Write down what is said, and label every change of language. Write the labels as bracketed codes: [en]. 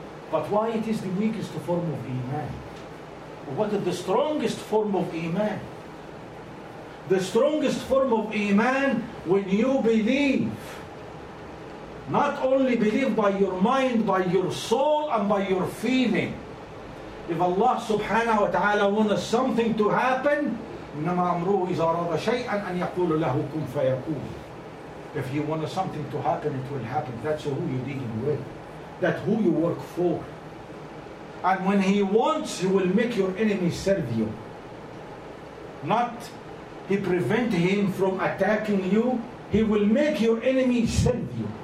[en] But why it is the weakest form of Iman? What is the strongest form of Iman? The strongest form of Iman, when you believe, not only believe by your mind, by your soul, and by your feeling. If Allah subhanahu wa ta'ala wants something to happen, [ar] إِنَّمَا أَمْرُهُ إِذَا أَرَادَ شَيْئًا أَنْ يَقُولُ لَهُ كُنْ فَيَكُونُ. [en] If you want something to happen, it will happen. That's who you're dealing with. That's who you work for. And when he wants, he will make your enemy serve you. Not he prevent him from attacking you. He will make your enemy serve you.